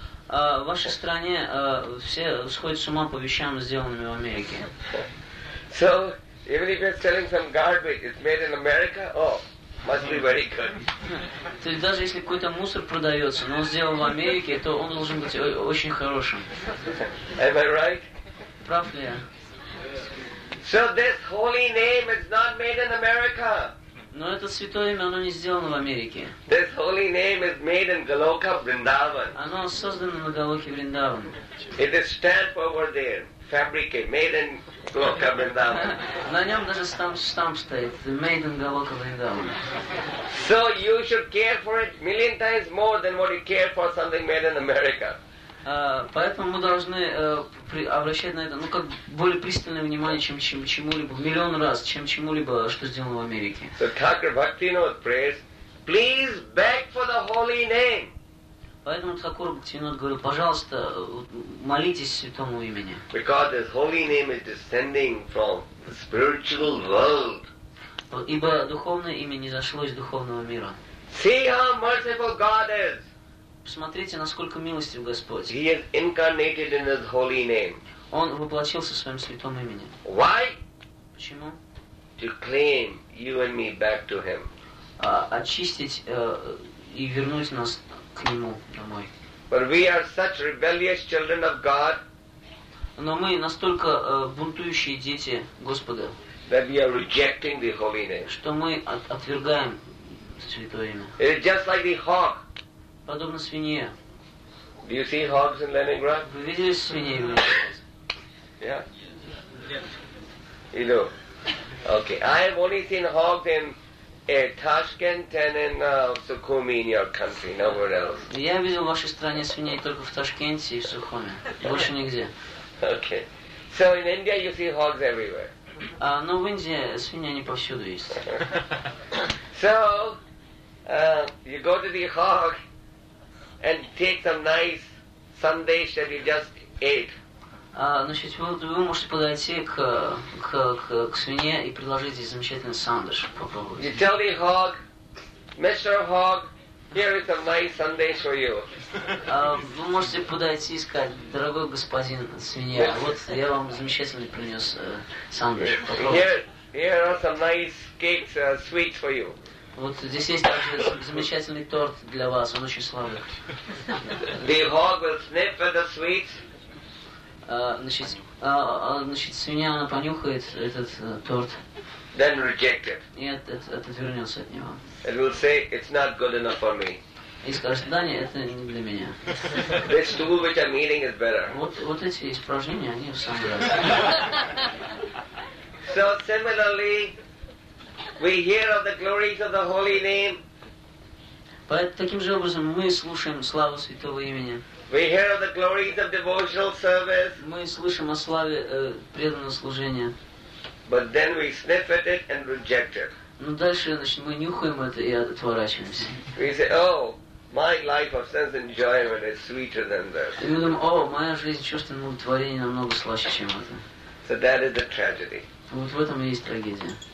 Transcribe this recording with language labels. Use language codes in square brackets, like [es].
[ru] В вашей стране все сходят с ума по вещам, сделанным в Америке. [en] So, even if you're selling some garbage, it's made in America, oh, must be very good. [ru] То есть даже если какой-то мусор продается, но он сделан в Америке, то он должен быть очень хорошим. [en] Am I right? [ru] Прав ли я? [en] So this holy name is not made in America. [ru] Но это святое имя, оно не сделано в Америке. [en] This holy name is made in Goloka Vrindavan. [ru] Оно создано на Голоке Вриндаван. [en] It is stamped over there, fabricated, made in Goloka Vrindavan. [ru] На нем даже штамп стоит, [en] made in Goloka Vrindavan. So you should care for it million times more than what you care for something made in America. [ru] Поэтому мы должны обращать на это, ну, как более пристальное внимание, чем чему-либо, в миллион раз, чем чему-либо, что сделано в Америке. [en] So Thakur Bhaktivinoda prays, please beg for the holy name. [ru] Поэтому Thakur Bhaktivinoda говорит, пожалуйста, молитесь святому имени. [en] Because this holy name is descending from the spiritual world. [ru] Ибо духовное имя не зашло из духовного мира. [en] See how merciful God is. [ru] Посмотрите, насколько милостив Господь. [en] He is incarnated in His holy name. [ru] Он воплотился в своем святом имени. [en] Why? [ru] Почему? [en] To claim you and me back to Him. [ru] Очистить и вернуть нас к Нему домой. [en] But we are such rebellious children of God. [ru] Но мы настолько бунтующие дети Господа. [en] That we are rejecting the holy name. [ru] Что мы отвергаем святое имя. [en] It is just like the hawk. [ru] Подобно свинье. [en] Do you see hogs in Leningrad? [ru] Вы видели свиней в [en] Yeah? You know. Okay. I have only seen hogs in Tashkent and in Sukhumi in your country, nowhere else. [ru] Я видел в вашей стране свиней только в Ташкенте и в Сухуми. Больше нигде. [en] Okay. So in India you see hogs everywhere. [ru] Но в Индии свиньи не повсюду есть. [en] So you go to the hog. And take some nice sandesh that you just ate. [ru] Значит, вы можете подойти к свинье и предложить ей замечательный сандеш. Попробуйте. [en] You tell the hog, Mr. Hog, here is a nice sandesh for you. [ru] Вы можете подойти и сказать, дорогой господин свинья, вот я вам замечательный принес сандеш. Попробуйте. [en] Here are some nice cakes, sweets for you. [ru] Вот здесь есть также замечательный торт для вас, он очень славный. [en] The hog will sniff at the sweets. [ru] Значит, свинья, она понюхает этот торт. [en] Then reject it. [ru] И отвернется от него. [en] It will say, it's not good enough for me. [ru] И скажет, да, нет, это не для меня. [en] This tool which I'm eating is better. [ru] Вот эти испражнения, они в самый раз. [en] So similarly, we hear of the glories of the holy name. But [ru] таким же образом мы слушаем славу святого имени. [en] We hear of the glories of devotional service. [ru] Мы слышим о славе преданного служения. [en] But then we sniff at it and reject it. [ru] Но дальше, значит, мы нюхаем это и отворачиваемся. [en] We say, oh, my life of sense enjoyment is sweeter than this. [ru] И мы думаем, о, моя жизнь чувственного удовлетворения намного слаще, чем это. [en] So that is the tragedy. [ru] Вот в этом и есть трагедия.